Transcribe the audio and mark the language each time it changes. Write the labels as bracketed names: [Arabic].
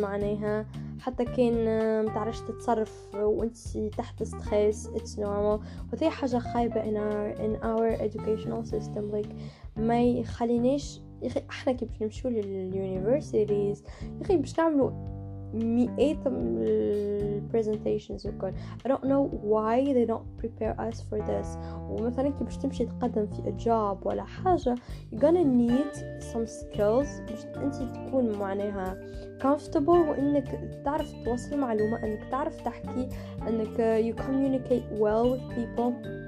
[Arabic] معناها حتى كان متعرفش تتصرف وانت تحت ستريس, [English] It's normal. [Arabic] وهذه حاجه خايبه [English] in our educational system. like [Arabic] ما يخلينيش احنا كي باش نمشيو لليونيفرسيتيز يا اخي باش نعملو مئات البرزنتيشنز وكل. [English] I don't know why they don't prepare us for this. [Arabic] ومثلا كي باش تمشي تقدم في job ولا حاجة [English] you're gonna need some skills [Arabic] باش انت تكون معناها comfortable وانك تعرف توصل معلومة انك تعرف تحكي انك [English] you communicate well with people.